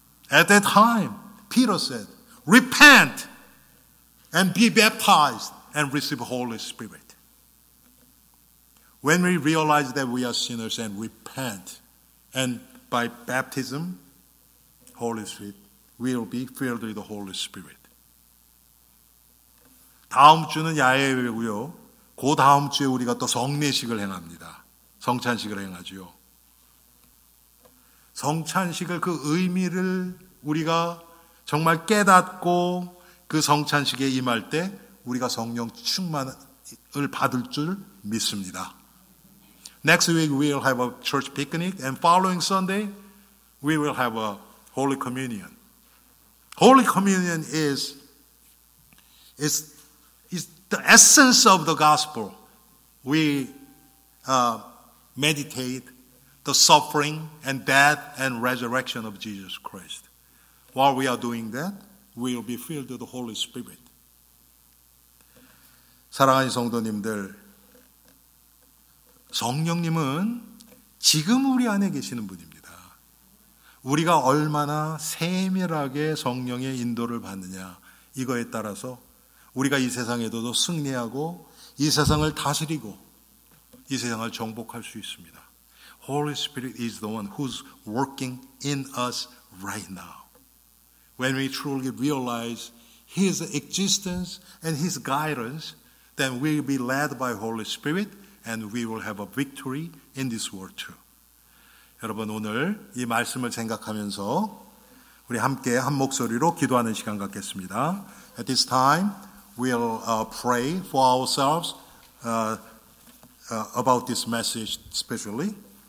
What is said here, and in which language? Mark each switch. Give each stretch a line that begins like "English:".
English: At that time, Peter said, repent and be baptized and receive Holy Spirit. When we realize that we are sinners and repent, and by baptism, Holy Spirit, we'll be filled with the Holy Spirit.
Korean: 다음 주는 야외이고요. 그 다음 주에 우리가 또 성례식을 행합니다. 성찬식을 행하지요. 성찬식을 그 의미를 우리가 정말 깨닫고 그 성찬식에 임할 때 우리가 성령 충만을 받을 줄 믿습니다.
English: Next week we'll have a church picnic and following Sunday we will have a Holy Communion. Holy Communion is the essence of the gospel. We meditate the suffering and death and resurrection of Jesus Christ. While we are doing that, we will be filled with the Holy Spirit.
Korean: 사랑하는 성도님들, 성령님은 지금 우리 안에 계시는 분입니다. 우리가 얼마나 세밀하게 성령의 인도를 받느냐, 이거에 따라서 우리가 이 세상에도 승리하고 이 세상을 다스리고 이 세상을 정복할 수 있습니다.
English: Holy Spirit is the one who's working in us right now. When we truly realize His existence and His guidance, then we'll be led by Holy Spirit and we will have a victory in this world too.
Korean: 여러분, 오늘 이 말씀을 생각하면서 우리 함께 한 목소리로 기도하는 시간 갖겠습니다.
English: At this time, we'll pray for ourselves about this message specifically.